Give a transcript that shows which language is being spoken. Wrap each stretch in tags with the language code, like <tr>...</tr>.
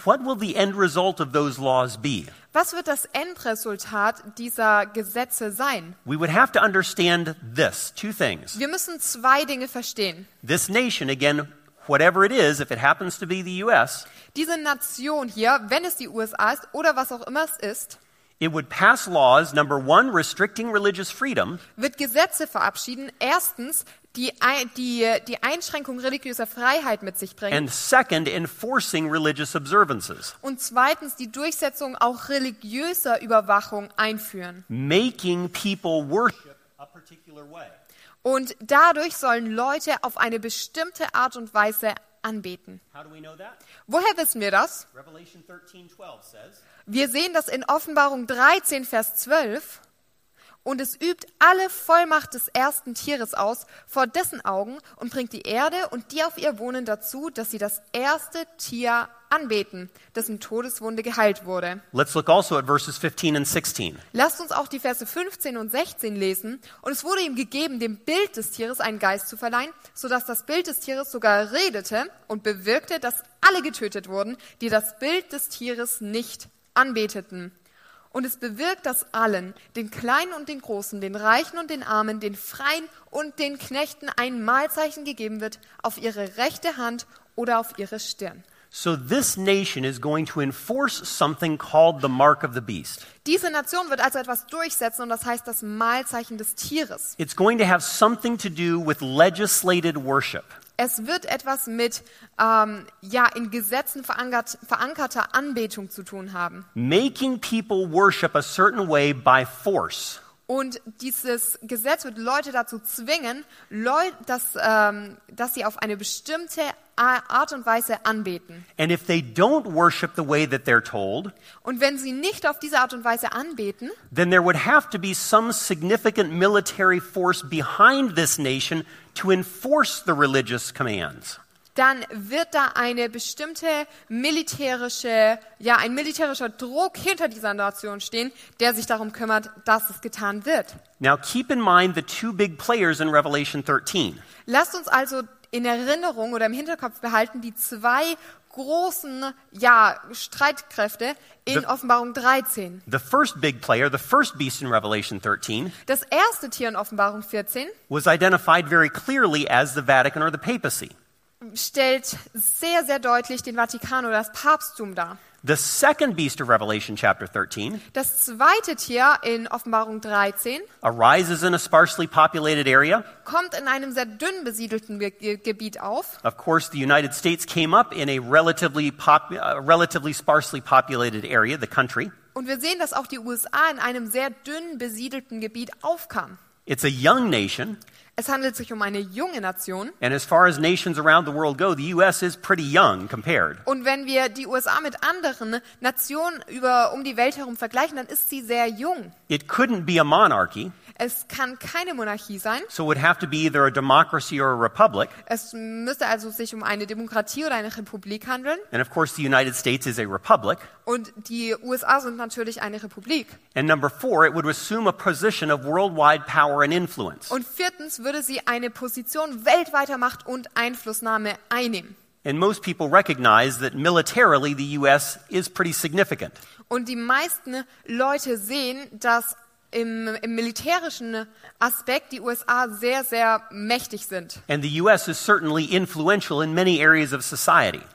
<en>What will the end result of those laws be?</en> <de>Was wird das Endresultat dieser Gesetze sein?</de> <en>We would have to understand this, two things.</en> <de>Wir müssen zwei Dinge verstehen.</de> <en>This nation, again, whatever it is, if it happens to be the US,</en> <de>diese Nation hier, wenn es die USA ist oder was auch immer es ist,</de> <en>it would pass laws, number one, restricting religious freedom,</en> <de>wird Gesetze verabschieden, erstens, die Einschränkung religiöser Freiheit mit sich bringen,</de> <en>and second, enforcing religious observances,</en> <de>und zweitens, die Durchsetzung auch religiöser Überwachung einführen,</de> <en>making people worship a particular way.</en> <de>Und dadurch sollen Leute auf eine bestimmte Art und Weise anbeten.</de> <en>How do we know that?</en> <de>Woher wissen wir das?</de> <en>Revelation 13, 12 says,</en> <de>wir sehen das in Offenbarung 13, Vers 12. Und es übt alle Vollmacht des ersten Tieres aus vor dessen Augen und bringt die Erde und die auf ihr wohnen dazu, dass sie das erste Tier anbeten, dessen Todeswunde geheilt wurde.</de> <en>Let's look also at verses 15 and 16.</en> <de>Lasst uns auch die Verse 15 und 16 lesen. Und es wurde ihm gegeben, dem Bild des Tieres einen Geist zu verleihen, sodass das Bild des Tieres sogar redete und bewirkte, dass alle getötet wurden, die das Bild des Tieres nicht anbeteten. Und es bewirkt, dass allen, den Kleinen und den Großen, den Reichen und den Armen, den Freien und den Knechten ein Mahlzeichen gegeben wird, auf ihre rechte Hand oder auf ihre Stirn.</de> <en>So this nation is going to enforce something called the mark of the beast.</en> <de>Diese Nation wird also etwas durchsetzen und das heißt das Mahlzeichen des Tieres.</de> <en>It's going to have something to do with legislated worship.</en> <de>Es wird etwas mit in Gesetzen verankerter Anbetung zu tun haben.</de> <en>Making people worship a certain way by force.</en> <de>Und dieses Gesetz wird Leute dazu zwingen, dass sie auf eine bestimmte Art und Weise anbeten.</de> <en>And if they don't worship the way that they're told,</en> <de>und wenn sie nicht auf diese Art und Weise anbeten,</de> <en>then there would have to be some significant military force behind this nation to enforce the religious commands.</en> <de>Dann wird da eine bestimmte militärische, ja, ein militärischer Druck hinter dieser Nation stehen, der sich darum kümmert, dass es getan wird.</de> <en>Now keep in mind the two big players in Revelation 13.</en> <de>Lasst uns also in Erinnerung oder im Hinterkopf behalten die zwei großen, ja, Streitkräfte in Offenbarung 13.</de> <en>The first big player, the first beast in Revelation 13.</en> <de>Das erste Tier in Offenbarung 14</de> <en>was identified very clearly as the Vatican or the Papacy.</en> <de>Stellt sehr, sehr deutlich den Vatikan oder das Papsttum dar.</de> <en>The second beast of Revelation chapter 13.</en> <de>Das zweite Tier in Offenbarung 13.</de> <en>Arises in a sparsely populated area.</en> <de>Kommt in einem sehr dünn besiedelten Gebiet auf.</de> <en>Of course, the United States came up in a relatively sparsely populated area, the country.</en> <de>Und wir sehen, dass auch die USA in einem sehr dünn besiedelten Gebiet aufkam.</de> <en>It's a young nation.</en> <de>Es handelt sich um eine junge Nation.</de> <en>And as far as nations around the world go, the US is pretty young compared.</en> <de>Und wenn wir die USA mit anderen Nationen um die Welt herum vergleichen, dann ist sie sehr jung.</de> <en>It couldn't be a monarchy.</en> <de>Es kann keine Monarchie sein.</de> <en>So it would have to be either a democracy or a republic.</en> <de>Es müsste also sich um eine Demokratie oder eine Republik handeln.</de> <en>And of course the United States is a republic.</en> <de>Und die USA sind natürlich eine Republik.</de> <en>And number four, it would assume a position of worldwide power and influence.</en> <de>Und viertens würde sie eine Position weltweiter Macht und Einflussnahme einnehmen.</de> <en>And most people recognize that militarily the US is pretty significant.</en> <de>Und die meisten Leute sehen, dass im militärischen Aspekt die USA sehr, sehr mächtig sind.</de> <en>And the US is certainly influential in many areas of society.</en>